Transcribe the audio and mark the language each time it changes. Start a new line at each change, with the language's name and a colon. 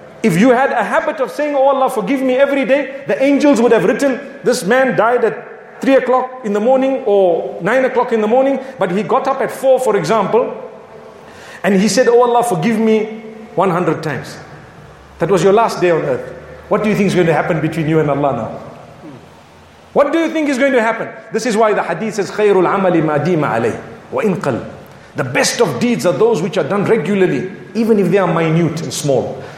English: If you had a habit of saying, oh Allah, forgive me every day, the angels would have written, this man died at 3 o'clock in the morning or 9 o'clock in the morning, but he got up at 4, for example, and he said, oh Allah, forgive me 100 times. That was your last day on earth. What do you think is going to happen between you and Allah now? What do you think is going to happen? This is why the hadith says,
Arabic: خَيْرُ الْعَمَلِ مَا دِيمَ عَلَيْهِ وَإِنْ قَلْ.
English: The best of deeds are those which are done regularly, even if they are minute and small.